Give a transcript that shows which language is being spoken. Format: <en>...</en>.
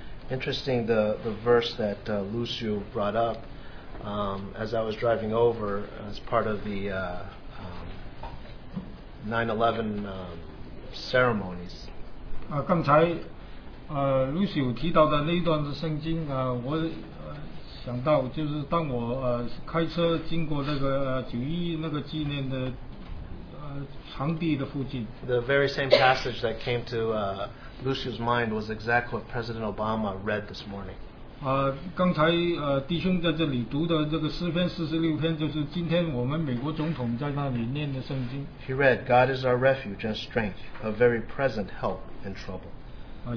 <en>Interesting, the verse that Lucio brought up, as I was driving over as part of the 9/11 ceremonies.</en> <zh>刚才Lucio 提到的那一段的圣经我想到就是当我开车经过那个911那个纪念的。</zh> <en>The very same passage that came to Lucio's mind was exactly what President Obama read this morning.</en> <zh>刚才弟兄在这里读的这个诗篇四十六篇，就是今天我们美国总统在那里念的圣经。</zh> <en>He read, "God is our refuge and strength, a very present help in trouble."</en>